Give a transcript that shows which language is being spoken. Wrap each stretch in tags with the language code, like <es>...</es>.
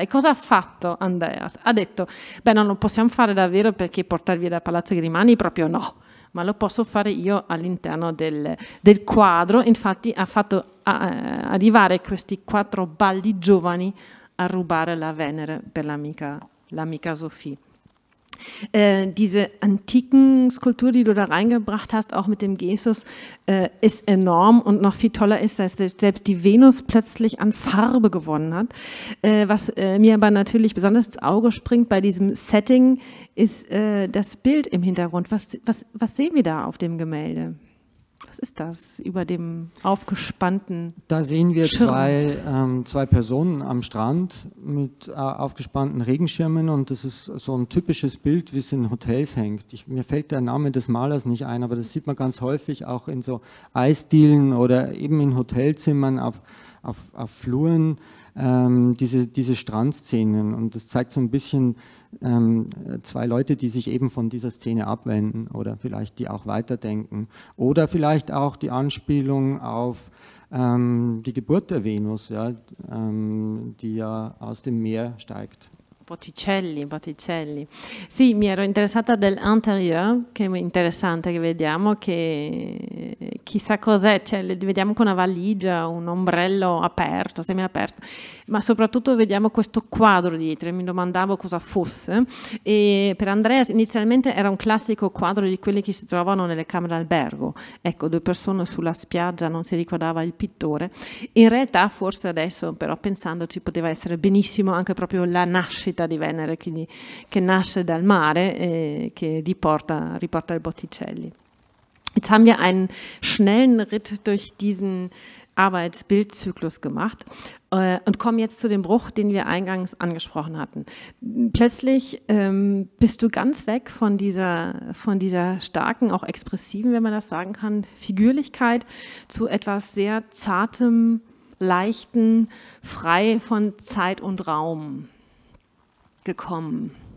<it>E cosa ha fatto Andreas? Ha detto: beh, non lo possiamo fare davvero, perché portar via da Palazzo Grimani proprio no, ma lo posso fare io all'interno del quadro. Infatti ha fatto arrivare questi quattro baldi giovani a rubare la Venere per l'amica Sophie.</it> <de>Diese antiken Skulptur, die du da reingebracht hast, auch mit dem Jesus, ist enorm, und noch viel toller ist, dass selbst die Venus plötzlich an Farbe gewonnen hat. Was mir aber natürlich besonders ins Auge springt bei diesem Setting, ist das Bild im Hintergrund. Was sehen wir da auf dem Gemälde? Was ist das über dem aufgespannten Schirm? Da sehen wir zwei Personen am Strand mit aufgespannten Regenschirmen, und das ist so ein typisches Bild, wie es in Hotels hängt. Mir fällt der Name des Malers nicht ein, aber das sieht man ganz häufig auch in so Eisdielen oder eben in Hotelzimmern auf Fluren, diese Strandszenen. Und das zeigt so ein bisschen zwei Leute, die sich eben von dieser Szene abwenden oder vielleicht die auch weiterdenken. Oder vielleicht auch die Anspielung auf die Geburt der Venus, ja, die ja aus dem Meer steigt. Botticelli.</de> <it>Sì, mi ero interessata dell'interieur, che è interessante, che vediamo, che chissà cos'è, cioè, vediamo con una valigia, un ombrello aperto, semiaperto, ma soprattutto vediamo questo quadro dietro, mi domandavo cosa fosse. E per Andreas inizialmente era un classico quadro di quelli che si trovano nelle camere d'albergo, ecco, due persone sulla spiaggia, non si ricordava il pittore. In realtà forse adesso, però, pensandoci, poteva essere benissimo anche proprio la nascita di Venere, quindi che nasce dal mare e che riporta il Botticelli.</it> <de>Jetzt haben wir einen schnellen Ritt durch diesen Arbeitsbildzyklus gemacht und kommen jetzt zu dem Bruch, den wir eingangs angesprochen hatten. Plötzlich bist du ganz weg von dieser starken, auch expressiven, wenn man das sagen kann, Figürlichkeit zu etwas sehr Zartem, Leichten, frei von Zeit und Raum gekommen.</de>